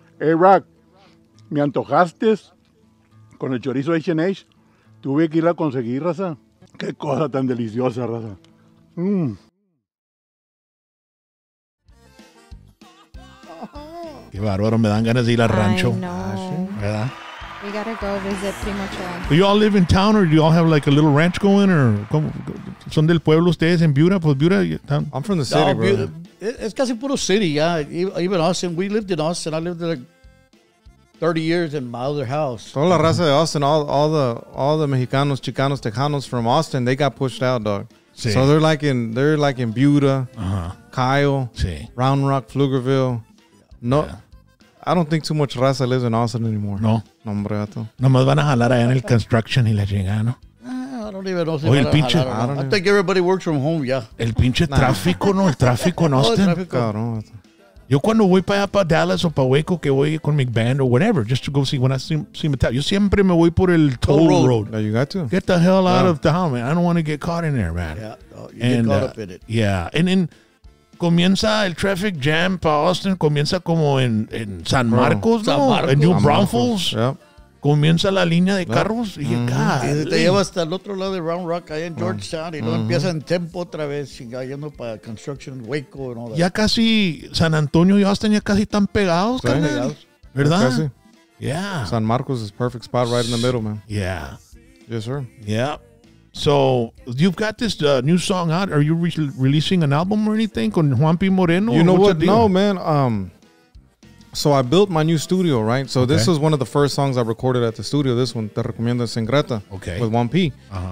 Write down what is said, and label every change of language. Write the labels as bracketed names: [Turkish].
[Spanish] Hey, Rock, me antojaste con el chorizo H&H. Tuve que ir a conseguir, raza. Qué cosa tan deliciosa, raza. Mm. Qué bárbaro, me dan ganas de ir al rancho. ¿Verdad? [English] We gotta go visit Primo Chua. Do you all live in town or do you all have like a little ranch going? [Spanish] Or como, ¿son del pueblo ustedes en Buda? Pues Buda, [English] I'm from the city, no, bro. [Spanish] Es casi puro city, ya. [English] Yeah. Even Austin, we lived in Austin. I lived there like 30 years in my other house. [Spanish] Toda la raza de Austin, [English] all the Mexicanos, Chicanos, Tejanos from Austin, they got pushed out, dog. Sí. So they're like in Buda, uh-huh. Kyle, [Spanish] sí. [English] Round Rock, Pflugerville. No, yeah. I don't think too much raza lives in Austin anymore. No. [Spanish] No, hombre, gato. Nomás van a jalar allá en el construction y la chingada, ¿no? [English] I think everybody works from home, yeah. [Spanish] El pinche tráfico, ¿no? El tráfico en Austin. Yo cuando voy para allá, para Dallas o para Waco, que voy con McBand [English] or whatever, just to go see when I see Metallica, [Spanish] yo siempre me voy por el toll road. [English] No, you got to. Get the hell out of town, man. I don't want to get caught in there, man. Yeah, no, you get caught up in it. Yeah, and then [Spanish] comienza el [English] traffic jam [Spanish] para Austin, comienza como en San Marcos, ¿no? En New Braunfels. Comienza la línea de carros y te lleva hasta el otro lado de Round Rock allá en Georgetown y luego empieza en Tempo otra vez yendo para Construction Waco y ya casi San Antonio y Austin ya casi están pegados, sí, carnal, ¿verdad? Casi. [English] Yeah. San Marcos is perfect spot right in the middle, man. Yeah. Yes, sir. Yeah. So you've got this new song out. Are you releasing an album or anything con Juanpi Moreno? You know what? No, man. So I built my new studio, right? So this was one of the first songs I recorded at the studio. This one, Te Recomiendo Sin Greta, with Juan P. Uh-huh.